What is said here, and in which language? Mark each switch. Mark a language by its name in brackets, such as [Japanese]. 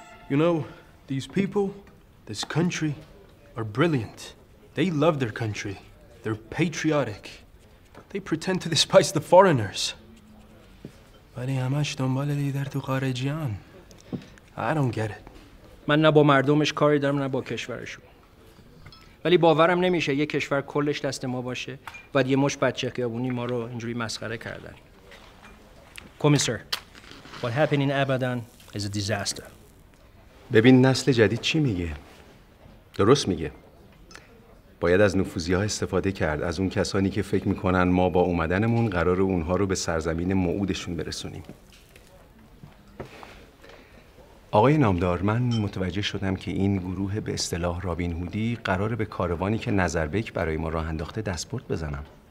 [English] You know these people, this country are brilliant. They love their country. They're patriotic. They pretend to despise the foreigners. [Persian] ولی همش دنبال لیدر تو خارجیان. [English] I don't get it. [Persian] من نه با مردمش کاری دارم نه با کشورشون. ولی باورم نمیشه یه کشور کلش دست ما باشه بعد یه مش بچه خیابونی ما رو اینجوری مسخره کردن. [English] کمیسر، what happened in Abadan is a disaster. [Persian] ببین نسل جدید چی میگه؟ درست میگه. باید از نفوذی‌ها استفاده کرد، از اون کسانی که فکر می‌کنن ما با اومدنمون قرار اونها رو به سرزمین موعودشون برسونیم. آقای نامدار، من متوجه شدم که این گروه به اصطلاح رابین هودی قراره به کاروانی که نظربک برای ما راه انداخته دستبرد بزنم.